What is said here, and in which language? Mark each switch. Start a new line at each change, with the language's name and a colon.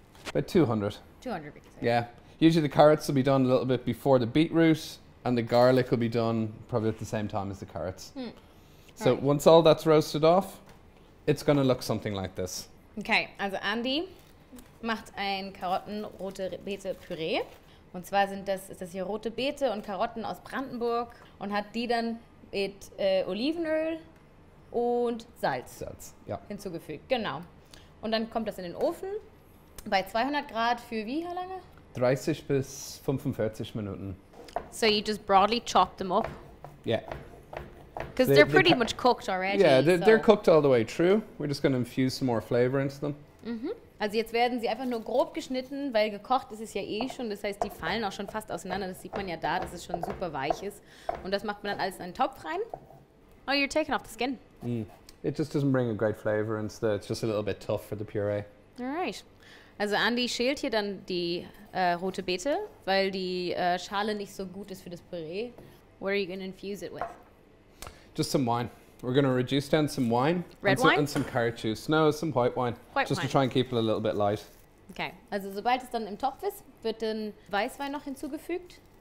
English: About 200. 200 degrees. Yeah. Usually the carrots will be done a little bit before the beetroot, and the garlic will be done probably at the same time as the carrots. Mm. So right. Once all that's roasted off, it's going to look something like this.
German: Okay, also Andy macht ein Karotten-Rote-Beete-Püree. Und zwar ist das hier rote Beete und Karotten aus Brandenburg und hat die dann mit Olivenöl und Salz ja. hinzugefügt. Genau. Und dann kommt das in den Ofen bei 200 Grad für wie lange? 30 bis 45 Minuten.
English: So you just broadly chop them up? Yeah. Because they're pretty much cooked already. Yeah, they're cooked all the way through. We're just going to infuse some more flavor into them. Mhm.
German: Also jetzt werden sie einfach nur grob geschnitten, weil gekocht ist es ja eh schon. Das heißt, die fallen auch schon fast auseinander. Das sieht man ja da, dass es schon super weich ist. Und das macht man dann alles in einen Topf rein.
English: Oh, you're taking off the skin. Mm. It just doesn't bring a great flavor into it. It's just a little bit tough for the puree. Alright.
German: Also Andy schält hier dann die rote Beete, weil die Schale nicht so gut ist für das Püree.
English: What are you going to infuse it with? Just some wine. We're going to reduce down some wine. Red wine? And some carrot juice. No, some white wine. White wine. To try and keep it a little bit light. Okay.
German: Also sobald es dann im Topf ist, wird dann Weißwein noch hinzugefügt.